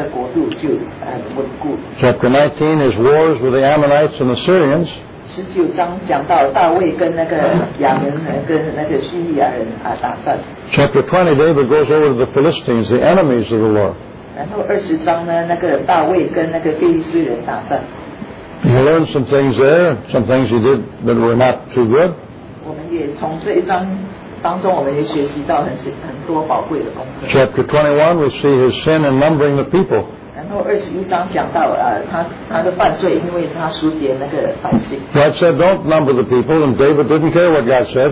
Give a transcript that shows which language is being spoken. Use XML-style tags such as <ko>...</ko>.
<en>Chapter 19 is wars with the Ammonites and Assyrians.</en> <zh>19章 讲到大卫跟那个亚门人跟那个叙利亚人打战。</zh> <en>Chapter 20, David goes over to the Philistines, the enemies of the Lord.</en> <zh>然后20章呢，那个大卫跟那个非利士人打战。</zh> <en>He learned some things there, some things he did that were not too good.</en> <zh>我们也从这一章当中，我们也学习到很多宝贵的功课。</zh> <en>Chapter 21, we see his sin in numbering the people.</en> <zh>然后21章讲到他的犯罪，因为他输别那个百姓。</zh> <en>God said, "Don't number the people," and David didn't care what God said.</en>